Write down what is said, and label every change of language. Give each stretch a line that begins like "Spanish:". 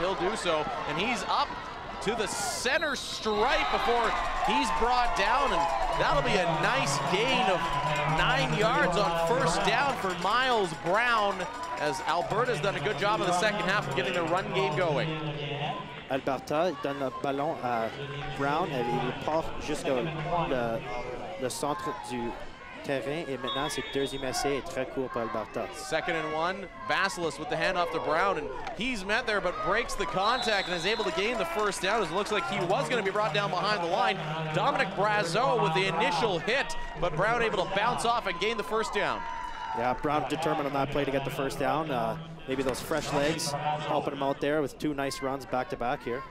English: He'll do so, and he's up to the center stripe before he's brought down, and that'll be a nice gain of 9 yards on first down for Miles Brown, as Alberta's done a good job in the second half of getting the run game going.
French: Alberta donne le ballon à Brown, et il part jusqu'au le centre du terrain, et maintenant c'est deuxième essai et très court pour Alberta.
English: Second and one, Vasilis with the handoff to Brown, and he's met there but breaks the contact and is able to gain the first down, as it looks like he was going to be brought down behind the line. Dominic Brazeau with the initial hit, but Brown able to bounce off and gain the first down. Yeah, Brown determined on that play to get the first down. Maybe those fresh legs helping him out there with two nice runs back-to-back here.